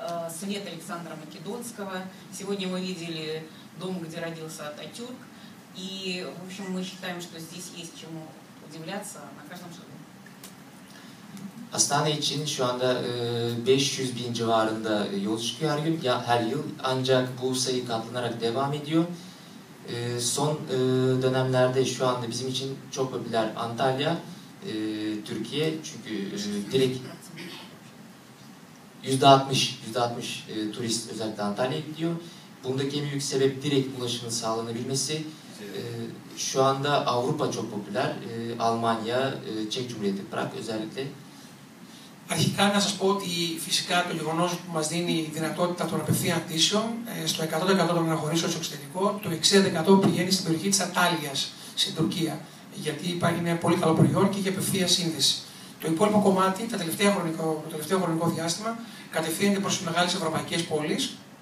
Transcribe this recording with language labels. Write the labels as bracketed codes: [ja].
[ru] Свет Александра Македонского. Сегодня мы видели дом, где родился Ататюрк. И, в общем, мы считаем, что здесь есть чему удивляться на каждом шагу. [tr] Астана için şu anda 500 bin civarında yol çıkıyor her gün, her yıl. Ancak bu sayı katlanarak devam ediyor. Son dönemlerde şu anda bizim için çok popüler Antalya, Türkiye. Çünkü direkt %60 turist özellikle Antalya'ya gidiyor. Bundaki en büyük sebep direkt ulaşımın sağlanabilmesi. Şu anda Avrupa çok popüler. Almanya, Çek Cumhuriyeti, Prag özellikle. [el] Αρχικά να σας πω ότι φυσικά το γεγονός που μας δίνει η δυνατότητα των απευθείας πτήσεων στο 100% των αναχωρήσεων στο εξωτερικό, το 60% πηγαίνει στην περιοχή της Αντάλιας, στην Τουρκία. Γιατί υπάρχει ένα πολύ καλό προϊόν και έχει απευθεία σύνδεση. Το υπόλοιπο κομμάτι, το τελευταίο χρονικό διάστημα, κατευθύνεται προς τις μεγάλες ευρωπαϊκές πόλεις.